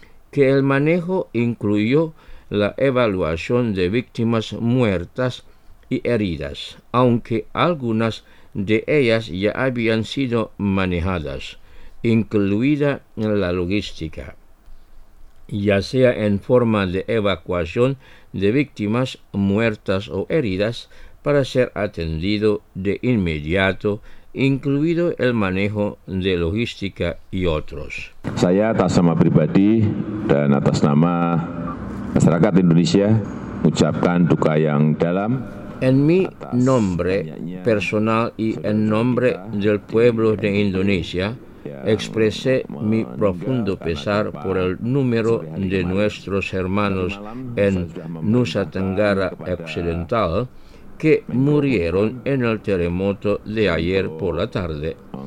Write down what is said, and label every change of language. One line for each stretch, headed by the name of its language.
Spanish: que el manejo incluyó la evaluación de víctimas muertas y heridas, aunque algunas de ellas ya habían sido manejadas, incluida la logística, ya sea en forma de evacuación de víctimas muertas o heridas para ser atendido de inmediato, incluido el manejo de logística y otros.
Indonesian: Saya atas nama pribadi dan atas nama masyarakat Indonesia ucapkan duka yang dalam.
Spanish: En mi nombre personal y en nombre del pueblo de Indonesia, expresé mi profundo pesar por el número de nuestros hermanos en Nusa Tenggara Occidental que murieron en el terremoto de ayer por la tarde.